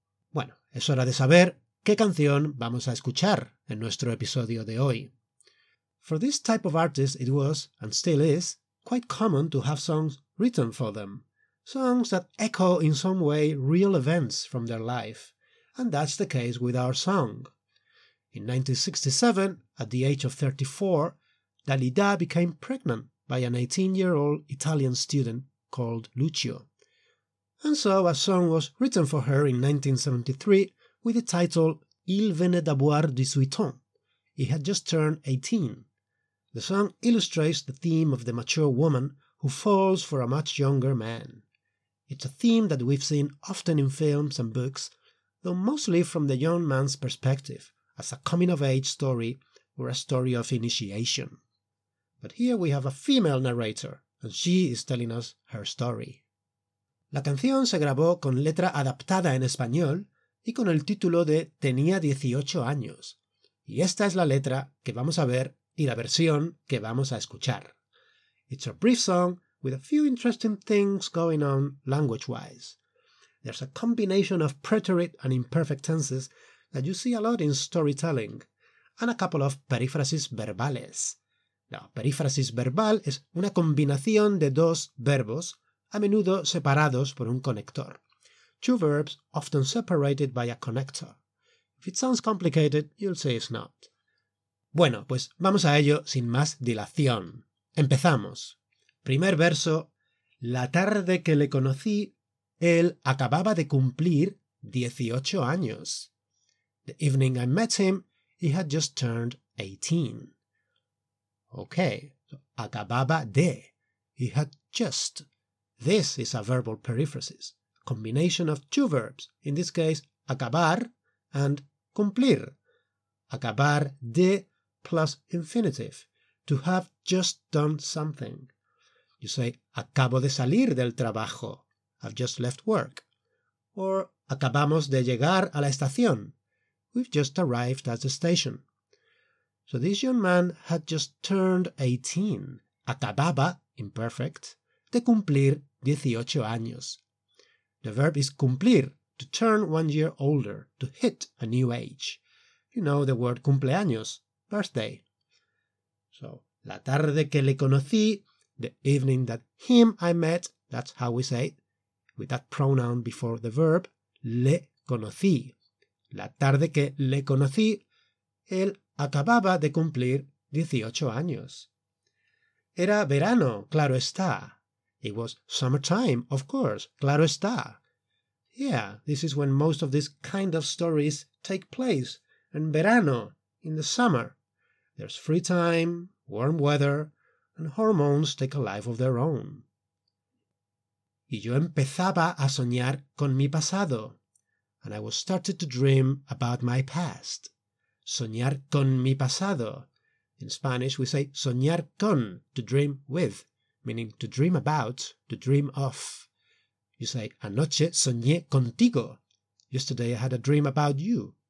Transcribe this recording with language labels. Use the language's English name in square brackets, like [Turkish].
[Spanish] Bueno, es hora de saber qué canción vamos a escuchar en nuestro episodio de hoy. [English] For this type of artist, it was, and still is, quite common to have songs written for them. Songs that echo in some way real events from their life. And that's the case with our song. In 1967, at the age of 34, Dalida became pregnant by an 18-year-old Italian student called Lucio. And so a song was written for her in 1973 with the title Il venait d'avoir 18 ans. He had just turned 18. The song illustrates the theme of the mature woman who falls for a much younger man. It's a theme that we've seen often in films and books, though mostly from the young man's perspective, as a coming-of-age story or a story of initiation. But here we have a female narrator, and she is telling us her story. [Spanish] La canción se grabó con letra adaptada en español y con el título de Tenía 18 años. Y esta es la letra que vamos a ver y la versión que vamos a escuchar. [English] It's a brief song with a few interesting things going on language-wise. There's a combination of preterite and imperfect tenses that you see a lot in storytelling, and a couple of perífrasis verbales. [Spanish] Now, perífrasis verbal es una combinación de dos verbos, a menudo separados por un conector. [English] Two verbs often separated by a connector. If it sounds complicated, you'll say it's not. [Spanish] Bueno, pues vamos a ello sin más dilación. Empezamos. Primer verso. La tarde que le conocí, él acababa de cumplir 18 años. [English] The evening I met him, he had just turned 18. Okay. So, [Spanish] acababa de. [English] He had just. This is a verbal periphrasis. Combination of two verbs. In this case, acabar and cumplir. Acabar de plus infinitive, to have just done something. You say, [Spanish] acabo de salir del trabajo, [English] I've just left work. Or, [Spanish] acabamos de llegar a la estación, [English] we've just arrived at the station. So this young man had just turned 18, [Spanish] acababa, [English] imperfect, [Spanish] de cumplir 18 años. [English] The verb is cumplir, to turn 1 year older, to hit a new age. You know the word cumpleaños. Birthday. So, [Spanish] la tarde que le conocí, [English] the evening that him I met, that's how we say it, with that pronoun before the verb, [Spanish] le conocí. La tarde que le conocí, él acababa de cumplir 18 años. Era verano, claro está. [English] It was summertime, of course, [Spanish] claro está. [English] Yeah, this is when most of these kind of stories take place, [Spanish] en verano, [English] in the summer. There's free time, warm weather, and hormones take a life of their own. [Spanish] Y yo empezaba a soñar con mi pasado. [English] And I was started to dream about my past. [Spanish] Soñar con mi pasado. [English] In Spanish we say [Spanish] soñar con, [English] to dream with, meaning to dream about, to dream of. You say, [Spanish] anoche soñé contigo. [English] Yesterday I had a dream about you.